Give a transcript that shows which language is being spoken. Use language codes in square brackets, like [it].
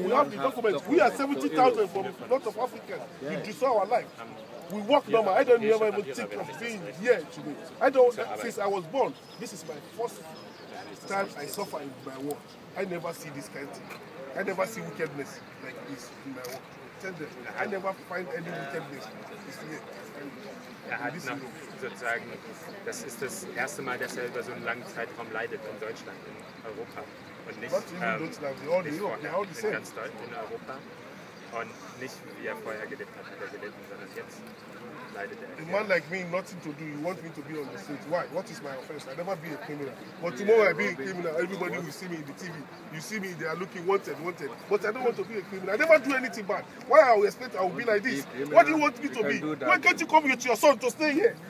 [en] We have the documents. We are 70,000 from north of Africa. We destroy our life. We work normal. I don't ever think of being here today. I don't, since I was born, this is my first time I suffer in my world. I never see this kind of thing. I never see wickedness like this in my world. I never find any wickedness. [de] Er hat noch sozusagen, das ist das erste Mal, dass er über so einen langen Zeitraum leidet in Deutschland, in Europa. Und nicht in ganz Deutschland, in Europa. Und nicht wie er vorher gelebt hat, hat er gelitten, sondern jetzt leidet er. [en] A man like me, nothing to do, you want me to be on the street. Why? What is my offense? I never be a criminal. But tomorrow I be a criminal, everybody will see me in the TV. You see me, they are looking wanted. But I don't want to be a criminal. I never do anything bad. Why I expect I will be like this? What do you want me to be? Why can't you come with your son to stay here?